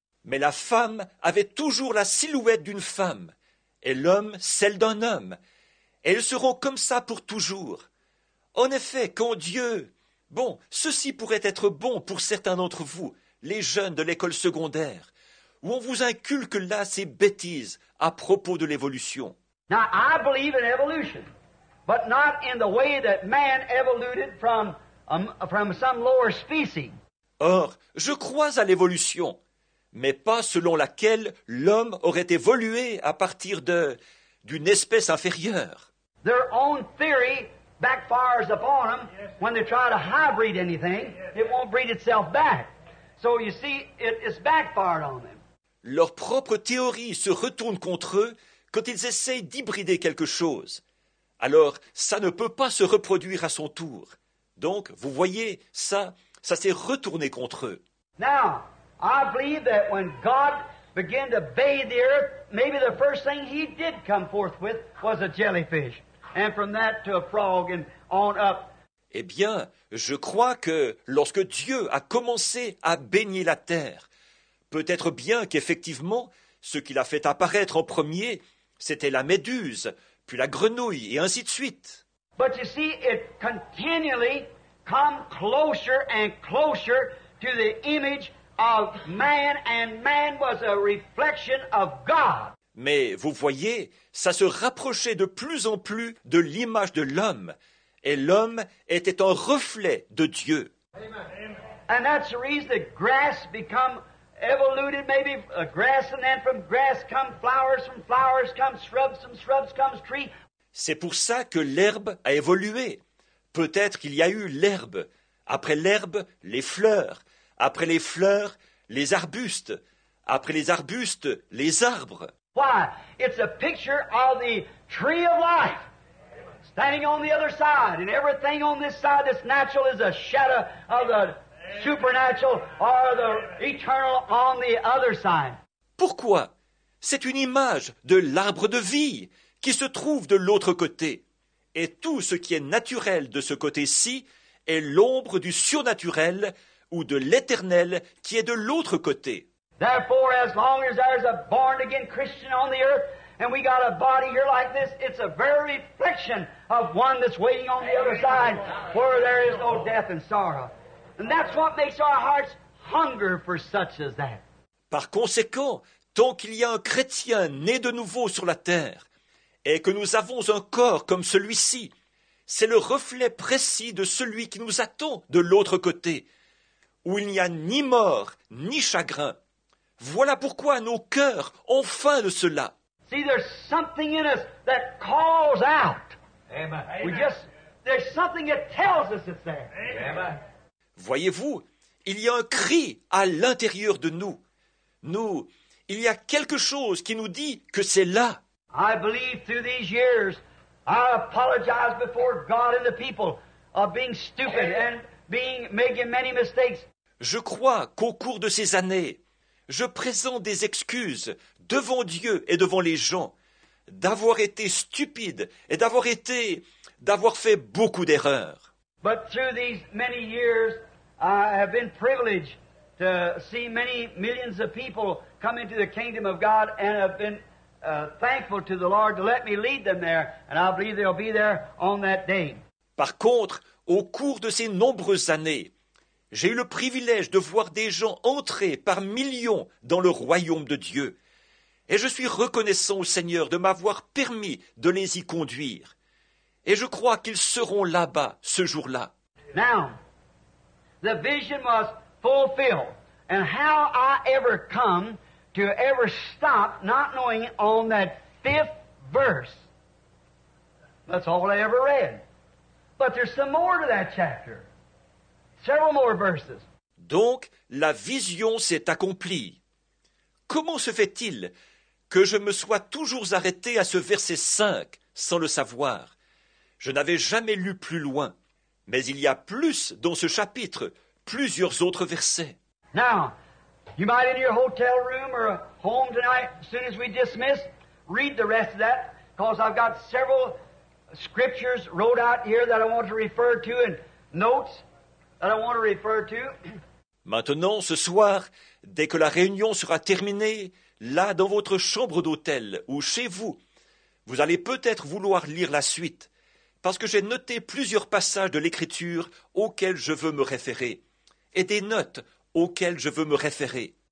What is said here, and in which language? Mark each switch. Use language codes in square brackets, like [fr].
[fr] Mais la femme avait toujours la silhouette d'une femme et l'homme celle d'un homme. Et elles seront comme ça pour toujours. En effet, quand Dieu... Bon, ceci pourrait être bon pour certains d'entre vous, les jeunes de l'école secondaire, où on vous inculque là ces bêtises à propos de l'évolution. [en] Now I believe in evolution. But not in the way that man evolved from some lower species. [fr] Or, je crois à l'évolution, mais pas selon laquelle l'homme aurait évolué à partir d'une espèce inférieure. [en] Their own theory backfires upon them when they try to hybrid anything. It won't breed itself back. So you see, it's backfired on them. [fr] Leur propre théorie se retourne contre eux quand ils essaient d'hybrider quelque chose. Alors, ça ne peut pas se reproduire à son tour. Donc, vous voyez, ça s'est retourné contre eux. [en] Now, I believe that when God began to bathe the earth, maybe the first thing he did come forth with was a jellyfish. And from that to a frog and on up. [fr] Eh bien, je crois que lorsque Dieu a commencé à baigner la terre, peut-être bien qu'effectivement, ce qu'il a fait apparaître en premier, c'était la méduse, puis la grenouille, et ainsi de suite. [en] But you see, it continually come closer and closer to the image of man, and man was a reflection of God. [fr] Mais vous voyez, ça se rapprochait de plus en plus de l'image de l'homme, et l'homme était un reflet de Dieu. [en] Amen. And that's the reason that grass become evoluted, maybe a grass, and then from grass come flowers, from flowers come shrubs, from shrubs comes tree. [fr] C'est pour ça que l'herbe a évolué. Peut-être qu'il y a eu l'herbe, après l'herbe, les fleurs, après les fleurs, les arbustes, après les arbustes, les arbres. [en] Why? It's a picture of the tree of life standing on the other side, and everything on this side that's natural is a shadow of the supernatural or the eternal on the other side. [fr] Pourquoi? C'est une image de l'arbre de vie qui se trouve de l'autre côté. Et tout ce qui est naturel de ce côté-ci est l'ombre du surnaturel ou de l'éternel qui est de l'autre côté. [en] Therefore, as long as there's a born-again Christian on the earth, and we got a body here like this, it's a very reflection of one that's waiting on the other side, where there is no death and sorrow. And that's what makes our hearts hunger for such as that. [fr] Par conséquent, tant qu'il y a un chrétien né de nouveau sur la terre, et que nous avons un corps comme celui-ci, c'est le reflet précis de celui qui nous attend de l'autre côté, où il n'y a ni mort, ni chagrin. Voilà pourquoi nos cœurs ont faim de cela. [en] See, there's something in us that calls out. Amen. There's something that tells us it's there. Amen. [fr] Voyez-vous, il y a un cri à l'intérieur de nous. Nous, il y a quelque chose qui nous dit que c'est là. [en] I believe through these years, I apologize before God and the people of being stupid and being making many mistakes. [fr] Je crois qu'au cours de ces années, je présente des excuses devant Dieu et devant les gens d'avoir été stupide et d'avoir fait beaucoup d'erreurs. [en] But through these many years, I have been privileged to see many millions of people come into the kingdom of God and have been thankful to the Lord to let me lead them there, and I believe they'll be there on that day. [fr] Par contre, au cours de ces nombreuses années, j'ai eu le privilège de voir des gens entrer par millions dans le royaume de Dieu. Et je suis reconnaissant au Seigneur de m'avoir permis de les y conduire. Et je crois qu'ils seront là-bas ce jour-là. [en] Now, the vision was fulfilled. And how I ever come to ever stop not knowing on that fifth verse. That's all I ever read. But there's some more to that chapter. Several more verses. [fr] Donc, la vision s'est accomplie. Comment se fait-il que je me sois toujours arrêté à ce verset 5 sans le savoir? Je n'avais jamais lu plus loin. Mais il y a plus dans ce chapitre, plusieurs autres versets. [en] Now, you might in your hotel room or home tonight, as soon as we dismiss, read the rest of that, because I've got several scriptures wrote out here that I want to refer to and notes. That I want to refer to. [fr] Maintenant, ce soir, dès que la réunion sera terminée, là, dans votre chambre d'hôtel ou chez vous, vous allez peut-être vouloir lire la suite, parce que j'ai noté plusieurs passages de l'Écriture auxquels je veux me référer, et des notes auxquelles je veux me référer.